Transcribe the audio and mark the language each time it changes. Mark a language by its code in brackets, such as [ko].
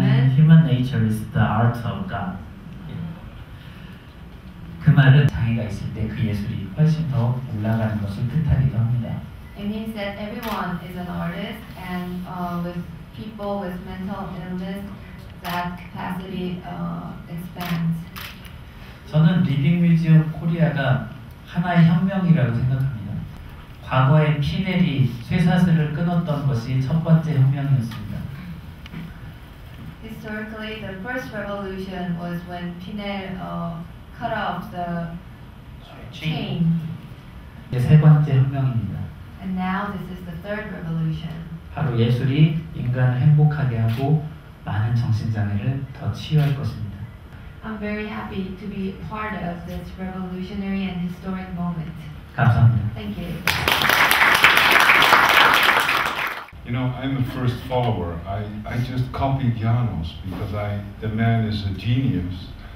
[en] And human nature is the art of God. [ko] 그 말은 장애가 있을 때 그 예술이 훨씬 더 올라가는 것을 뜻하기도 합니다. [en] It means that everyone is an artist, and with people with mental illness, that capacity expands. [ko] 저는 리빙 뮤지엄 코리아가 하나의 혁명이라고 생각합니다. 과거에 피넬이 쇠사슬을 끊었던 것이 첫 번째 혁명이었습니다. [en] Historically, the first revolution was when Pinel cut off the chain. [ko] 이제 세 번째 혁명입니다. [en] And now this is the third revolution. [ko] 바로 예술이 인간을 행복하게 하고 많은 정신장애를 더 치유할 것입니다. [en] I'm very happy to be part of this revolutionary and historic moment. [ko] 감사합니다. [en] Thank you. You know, I'm the first follower. I just copied Janos because the man is a genius.